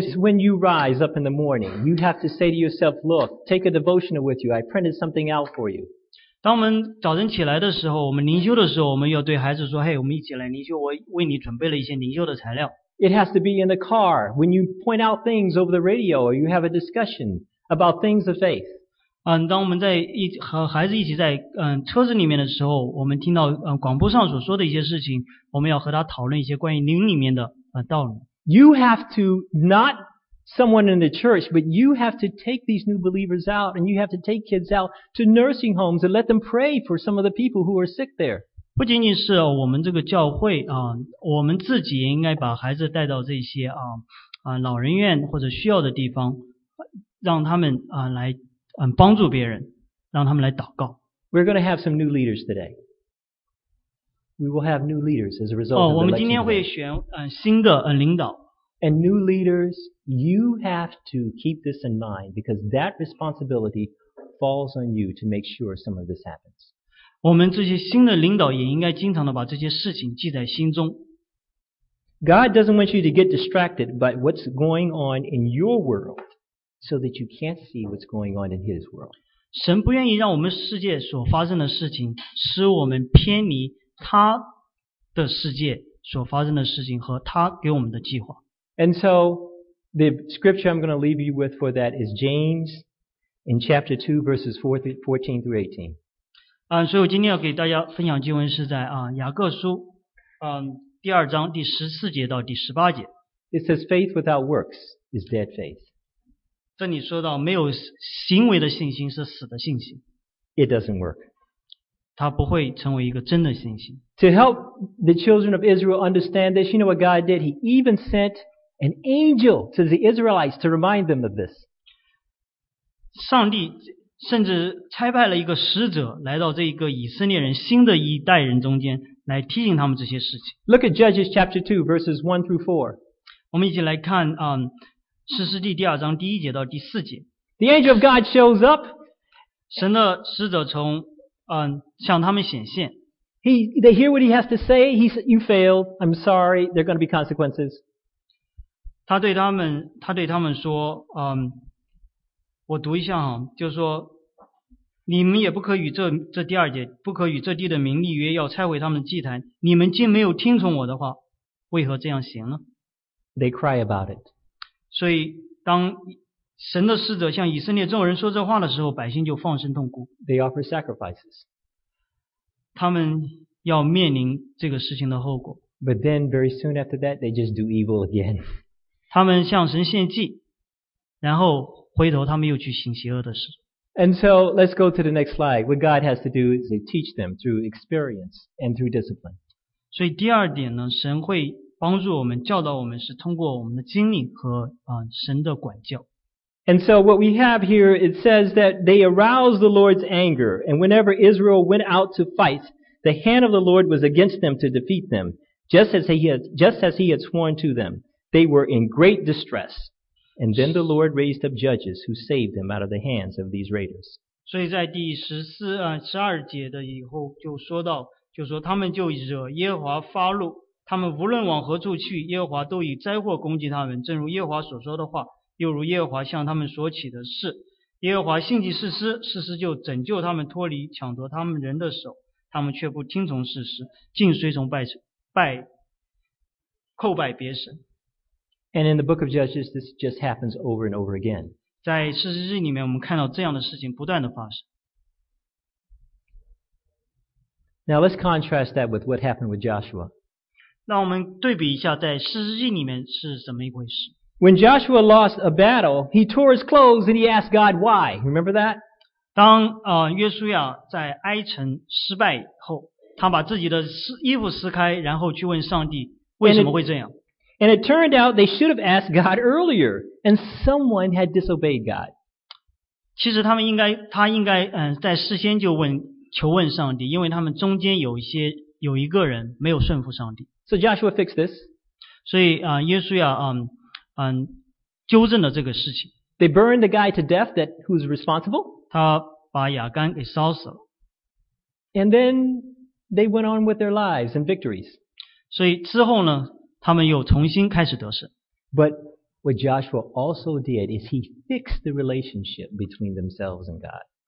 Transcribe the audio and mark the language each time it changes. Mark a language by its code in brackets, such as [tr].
[en] It's when you rise up in the morning, you have to say to yourself, look, take a devotional with you. I printed something out for you. [zh] 当我们早晨起来的时候，我们灵修的时候，我们要对孩子说，嘿，我们一起来灵修，我为你准备了一些灵修的材料。 [en] It has to be in the car, when you point out things over the radio, or you have a discussion about things of faith. [zh] 当我们在和孩子一起在车子里面的时候，我们听到广播上所说的一些事情，我们要和他讨论一些关于灵里面的道理。 [en] You have to not someone in the church, but you have to take these new believers out, and you have to take kids out to nursing homes and let them pray for some of the people who are sick there. [zh] 不仅仅是我们这个教会我们自己也应该把孩子带到这些老人院或者需要的地方，让他们来。帮助别人，让他们来祷告。 [en] We're going to have some new leaders today. We will have new leaders as a result. [zh] 我们今天会选新的领导。 [en] And new leaders, you have to keep this in mind because that responsibility falls on you to make sure some of this happens. [zh] 我们这些新的领导也应该经常的把这些事情记在心中。 [en] God doesn't want you to get distracted by what's going on in your world. So that you can't see what's going on in his world. [zh] 神不愿意让我们世界所发生的事情使我们偏离他的世界所发生的事情和他给我们的计划。 [en] And so, the scripture I'm going to leave you with for that is James in chapter 2 verses 14 through 18. [zh] 所以我今天要给大家分享经文是在雅各书第二章第14节到第18节。 [en] It says, faith without works is dead faith. [zh] 这里说到没有行为的信心是死的信心。 [en] It doesn't work. [zh] 它不会成为一个真的信心。 [en] To help the children of Israel understand this, you know what God did? He even sent an angel to the Israelites to remind them of this. [zh] 上帝甚至差派了一个使者来到这个以色列人新的一代人中间来提醒他们这些事情。 [en] Look at Judges chapter 2 verses 1 through 4. [zh] 我们一起来看士师记第二章第一节到第四节。 [en] The angel of God shows up. [zh] 神的使者从向他们显现。 [en] They hear what he has to say. He said, "You failed. I'm sorry. There are going to be consequences." [zh] 他对他们说，我读一下哈，就是说，你们也不可与这第二节，不可与这地的民立约，要拆毁他们的祭坛。你们竟没有听从我的话，为何这样行呢 [en] ？They cry about it. [zh] 所以当神的使者向以色列众人说这话的时候，百姓就放声痛哭。 [en] They offer sacrifices. [zh] 他们要面临这个事情的后果。 [en] But then very soon after that, they just do evil again. [zh] 他们向神献祭，然后回头他们又去行邪恶的事。 [en] And so let's go to the next slide. What God has to do is to teach them through experience and through discipline. [zh] 所以第二点呢，神会帮助我们教导我们是通过我们的经历和神的管教。 [en] And so what we have here, it says that they aroused the Lord's anger, and whenever Israel went out to fight, the hand of the Lord was against them to defeat them, just as he had sworn to them. They were in great distress, and then the Lord raised up judges who saved them out of the hands of these raiders. [zh] 所以在第十二节的以后就说到，就说他们就惹耶和华发怒。他们无论往何处去，耶和华都以灾祸攻击他们，正如耶和华所说的话，又如耶和华向他们所起的誓。耶和华兴起誓师，誓师就拯救他们脱离抢夺他们人的手，他们却不听从誓师，竟随从叩拜别神。 [en] And in the book of Judges, this just happens over and over again. [zh] 在士师记里面，我们看到这样的事情不断的发生。 [en] Now let's contrast that with what happened with Joshua. [zh] 让我们对比一下，在士师记里面是怎么一回事。 [en] When Joshua lost a battle, he tore his clothes and he asked God why. Remember that? [zh] 当约书亚在埃城失败后，他把自己的衣服撕开，然后去问上帝为什么会这样。 [en] And it turned out they should have asked God earlier, and someone had disobeyed God. [zh] 其实他应该在事先就求问上帝，因为他们中间有一个人没有顺服上帝。 [en] So Joshua fixed this. [zh] 所以约书亚纠正了这个事情。 [en] They burned the guy to death that who's responsible. [zh] 他把亚干给烧死了。 [en] And then they went on with their lives and victories. [zh] 所以之后呢，他们又重新开始得胜。 [en] But what Joshua also did is he fixed the relationship between themselves and God.